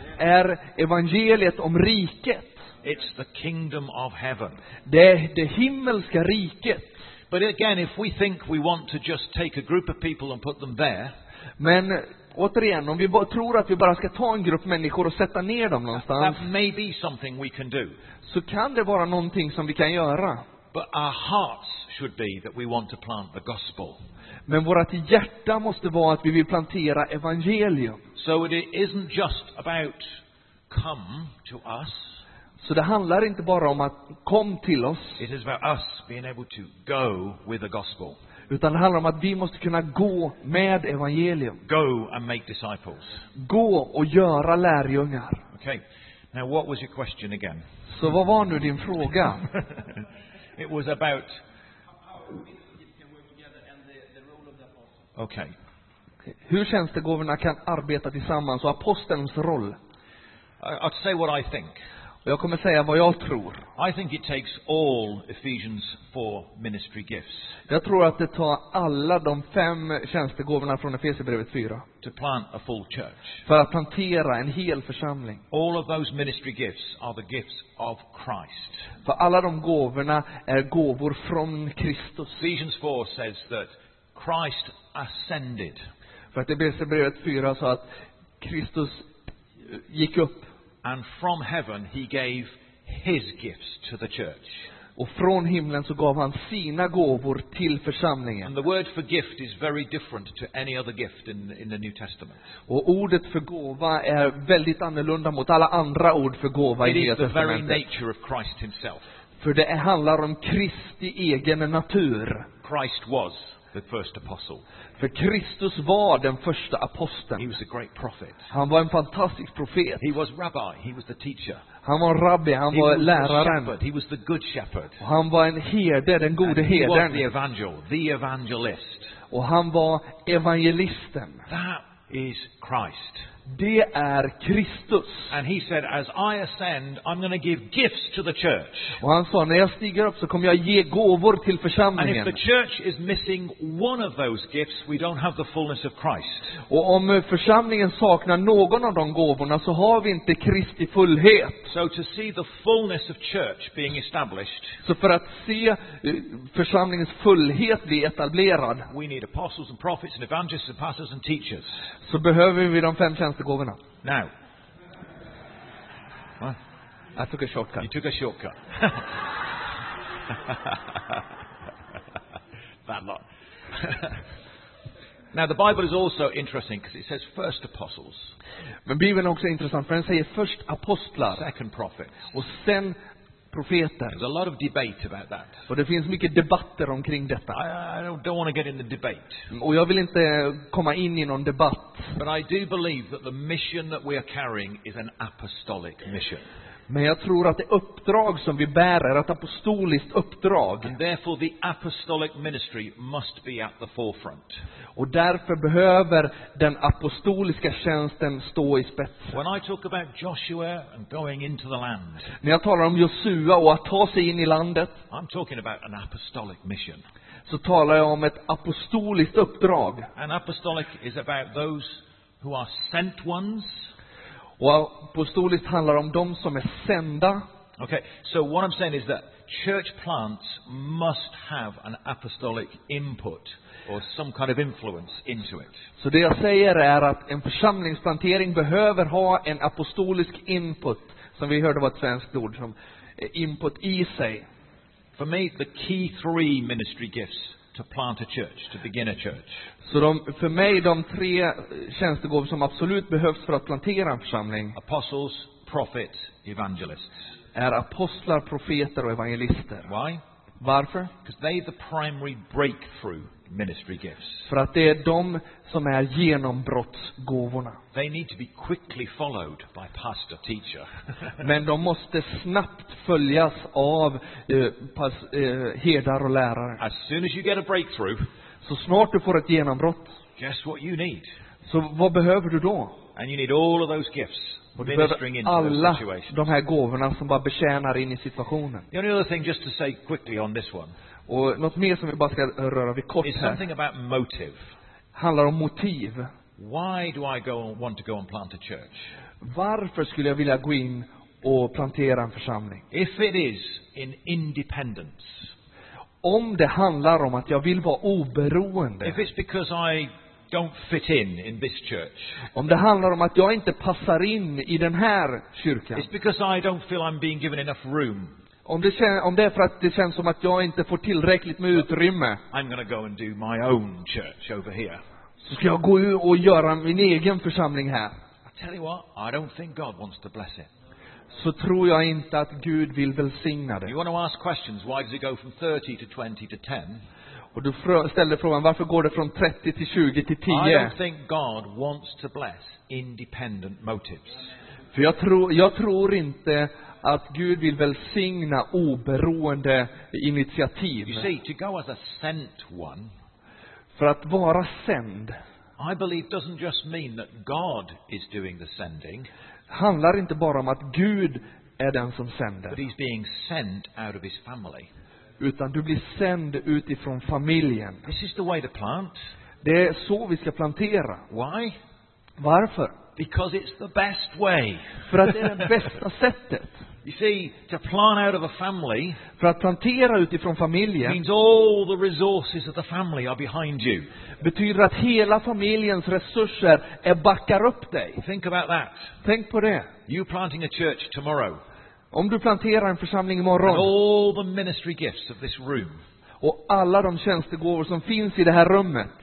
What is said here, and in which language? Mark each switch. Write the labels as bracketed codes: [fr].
[sv] är evangeliet om riket. [en] It's the kingdom of heaven. [sv] Det är det himmelska riket. [en] But again, if we think we want to just take a group of people and put them there, [sv] men återigen, om vi tror att vi bara ska ta en grupp människor och sätta ner dem någonstans, [en] that may be something we can do. [sv] Så kan det vara någonting som vi kan göra. [en] But our hearts should be that we want to plant the gospel. [sv] Men vårt hjärta måste vara att vi vill plantera evangelium. [en] So it isn't just about come to us. [sv] Så det handlar inte bara om att kom till oss. [en] It is about us being able to go with the gospel. [sv] Utan det handlar om att vi måste kunna gå med evangelium. [en] Go and make disciples. [sv] Gå och göra lärjungar. [en] Okay. Now what was your question again? [sv] Så vad var nu din fråga? [en] It was about okay. [sv] Hur tjänstegåvorna kan arbeta tillsammans och apostelns roll. [en] I'll say what I think. [sv] Jag kommer säga vad jag tror. [en] I think it takes all Ephesians 4 ministry gifts. [sv] Jag tror att det tar alla de fem tjänstegåvorna från Efesierbrevet 4. [en] To plant a full church. [sv] För att plantera en hel församling. [en] All of those ministry gifts are the gifts of Christ. [sv] För alla de gåvorna är gåvor från Kristus. [en] Ephesians 4 says that Christ ascended. [sv] För att Efesierbrevet 4 sa att Kristus gick upp. [en] And from heaven he gave his gifts to the church. [sv] Och från himlen så gav han sina gåvor till församlingen. [en] And the word for gift is very different to any other gift in the New Testament. [sv] Och ordet för gåva är väldigt annorlunda mot alla andra ord för gåva i Nya Testamentet. [en] It is the very nature of Christ himself. [sv] För det handlar om Kristi egen natur. [en] Christ was the first apostle. [sv] För Kristus var den första aposteln. [en] He was a great prophet. [sv] Han var en fantastisk profet. [en] He was rabbi, he was the teacher. [sv] Han var rabbi, han var läraren. [en] He was the good shepherd. [sv] Och han var en herde, den gode herden. [en] He was the evangel, the evangelist. [sv] Och han var evangelisten. [en] That is Christ. [sv] Det är Kristus. [en] And he said, as I ascend, I'm going to give gifts to the church. [sv] Och han sa, när jag stiger upp så kommer jag ge gåvor till församlingen. [en] And if the church is missing one of those gifts, we don't have the fullness of Christ. [sv] Och om församlingen saknar någon av de gåvorna så har vi inte Kristi fullhet. [en] So to see the fullness of church being established. [sv] Så för att se församlingens fullhet bli etablerad. [en] We need apostles and prophets and evangelists and pastors and teachers. [sv] Så behöver vi de fem tjänster. [en] Now, I took a shortcut. You took a shortcut. Bad luck. Now, the Bible is also interesting because it says first apostles. [sv] Men Bibeln är också intressant för den säger först apostlar. [en] Second prophets. [sv] Och sen profeter. [en] There's a lot of debate about that. [sv] Och det finns mycket debatter omkring detta. [en] I don't want to get in the debate. [sv] Och jag vill inte komma in i någon debatt. [en] But I do believe that the mission that we are carrying is an apostolic mission. [sv] Men jag tror att det uppdrag som vi bär är ett apostoliskt uppdrag. [en] And therefore the apostolic ministry must be at the forefront. [sv] Och därför behöver den apostoliska tjänsten stå i spetsen. [en] When I talk about Joshua and going into the land. [sv] När jag talar om Josua och att ta sig in i landet. [en] I'm talking about an apostolic mission. [sv] Så talar jag om ett apostoliskt uppdrag. [en] An apostolic is about those who are sent ones. [sv] Och apostoliskt handlar om de som är sända. [en] Okay, so what I'm saying is that church plants must have an apostolic input or some kind of influence into it. [sv] Så det jag säger är att en församlingsplantering behöver ha en apostolisk input, som vi hörde var ett svenskt ord, som input i sig. [en] For me, the key three ministry gifts to plant a church, to begin a church. [sv] Så de, för mig de tre tjänstegåvor som absolut behövs för att plantera en församling. [en] Apostles, prophets, evangelists. [sv] Är apostlar, profeter och evangelister. [en] Why? [sv] Varför? [en] Because they are the primary breakthrough ministry gifts. [sv] För att det är de som är genombrottsgåvorna. [en] They need to be quickly followed by pastor, teacher. [sv] Men de måste snabbt följas av herdar och lärare. [en] As soon as you get a breakthrough. [sv] Så snart du får ett genombrott. [en] Just what you need. [sv] Så vad behöver du då? [en] And you need all of those gifts. [sv] Och du behöver alla de här gåvorna som bara betjänar in i situationen. [en] The only other thing just to say quickly on this one. [sv] Och något mer som vi bara ska röra vid kort här. [en] Is something about motive. [sv] Handlar om motiv. [en] Why do I go and want to go and plant a church? [sv] Varför skulle jag vilja gå in och plantera en församling? [en] If it is in independence. [sv] Om det handlar om att jag vill vara oberoende. [en] If it's because I don't fit in this church. [sv] Om det handlar om att jag inte passar in i den här kyrkan. [en] It's because I don't feel I'm being given enough room. [sv] Om det är för att det känns som att jag inte får tillräckligt med utrymme. [en] I'm going to go and do my own church over here. [sv] Så ska jag gå ut och göra min egen församling här. [en] I tell you what, I don't think God wants to bless it. [sv] Så tror jag inte att Gud vill välsigna det. [en] You want to ask questions, why does it go from 30 to 20 to 10? [sv] Och du ställer frågan, varför går det från 30 till 20 till 10? [en] I don't think God wants to bless independent motives. [sv] För jag tror inte att Gud vill välsigna oberoende initiativ. [en] You see, to go as a sent one. [sv] För att vara sänd. [en] I believe doesn't just mean that God is doing the sending. [sv] Handlar inte bara om att Gud är den som sänder. [en] But he's being sent out of his family. [sv] Utan du blir sänd utifrån familjen. [en] This is the way to plant. [sv] Det är så vi ska plantera. [en] Why? [sv] Varför? [en] Because it's the best way. [sv] För att det är det bästa sättet. [en] You see, to plant out of a family, [sv] för att plantera utifrån familjen, [en] means all the resources of the family are behind you. [sv] Betyder att hela familjens resurser är backar upp dig. [en] Think about that. [sv] Tänk på det. [en] You planting a church tomorrow. [sv] Om du planterar en församling imorgon. [en] And all the ministry gifts of this room. [sv] Och alla de tjänstegåvor som finns i det här rummet.